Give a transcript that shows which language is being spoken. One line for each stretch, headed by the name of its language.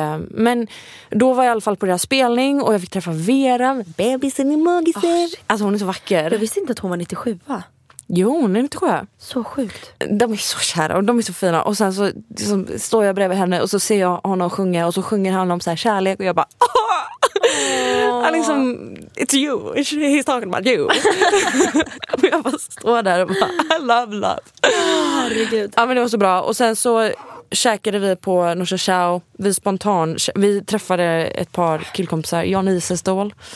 Swedish: Men då var jag i alla fall på deras spelning. Och jag fick träffa Vera. Bebisen i magisen. Oh, alltså hon är så vacker. Jag visste inte att hon var 97, va? Jo, hon är 97. Så sjukt. De är så kära och de är så fina. Och sen så liksom, står jag bredvid henne och så ser jag honom sjunga. Och så sjunger han om så här kärlek. Och jag bara... Oh! Han liksom,
English: it's you, he's talking about you.
Swedish: Och jag bara står där och bara,
English: I love love.
Swedish: Oh, herregud. Ja, men det var så bra. Och sen så käkade vi på Norsa Chow. Vi spontan, vi träffade ett par killkompisar, Jan Isestål.